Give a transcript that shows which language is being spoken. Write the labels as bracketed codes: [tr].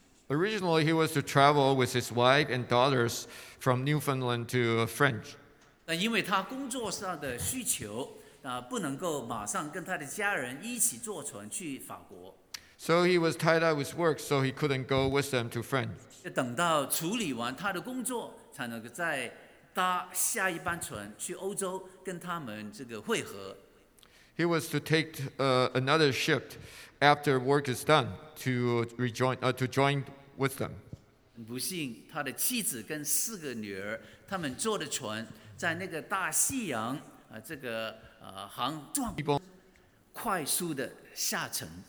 [en] Originally, he was to travel with his wife and daughters from Newfoundland to France. [zh] 但因为他工作上的需求不能够马上跟他的家人一起坐船去法国。 [en] So he was tied up with work, so he couldn't go with them to France. [zh] 等到处理完他的工作，才能够再搭下一班船去欧洲跟他们这个会合。 [en] He was to take another ship after work is done to join with them. [zh] 不幸，他的妻子跟四个女儿，他们坐的船在那个大西洋这个航撞快速的下沉。